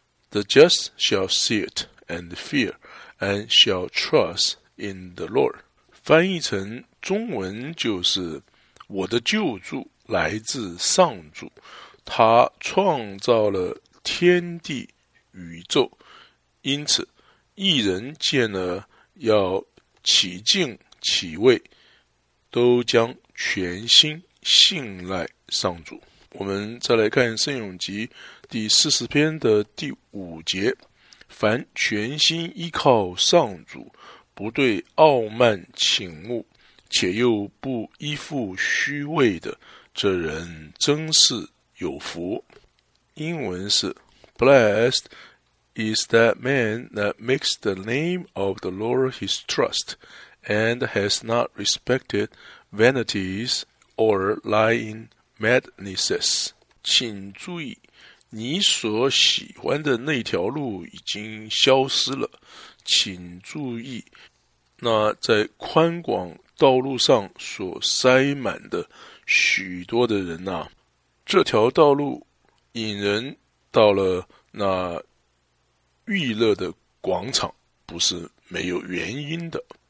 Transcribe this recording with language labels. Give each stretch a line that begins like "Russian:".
English: The just shall see it and fear, and shall trust in the Lord.
Chinese: 翻译成中文就是，我的救助来自上主，他创造了天地宇宙，因此一人见了要起敬起畏，都将全心信赖上主。我们再来看圣咏集第40篇的第五节，凡全心依靠上主，不对傲慢倾慕，且又不依附虚伪的，这人真是有福。英文是
English: Blessed is that man that makes the name of the Lord his trust, and has not respected vanities or lying madnesses.
Chinese: 请注意，你所喜欢的那条路已经消失了。请注意，那在宽广道路上所塞满的许多的人啊，这条道路引人到了那欲乐的广场，不是没有原因的。